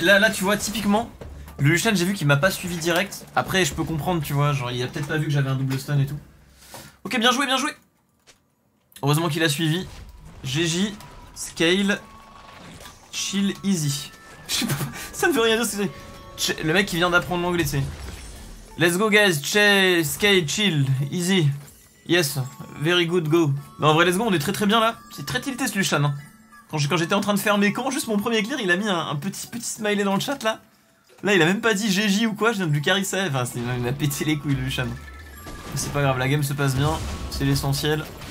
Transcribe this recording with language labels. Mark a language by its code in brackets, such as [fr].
[fr] Là, tu vois, typiquement, le Lushan, j'ai vu qu'il m'a pas suivi direct. Après, je peux comprendre, tu vois. Genre, il a peut-être pas vu que j'avais un double stun et tout. Ok, bien joué, bien joué. Heureusement qu'il a suivi. [en] GG, scale, chill, easy. [fr] Ça ne veut rien dire. Le mec qui vient d'apprendre l'anglais, tu sais. [en] Let's go guys, skate, chill, easy. Yes, very good, go. [fr] Non, en vrai, [en] let's go, [fr] on est très très bien là. C'est très tilté ce Lushan. Hein. Quand j'étais en train de faire mes camps, juste mon premier clear, il a mis un petit smiley dans le chat là. Là, il a même pas dit GG ou quoi, je viens de lui carry ça. Enfin, il m'a pété les couilles, Lushan. C'est pas grave, la game se passe bien, c'est l'essentiel.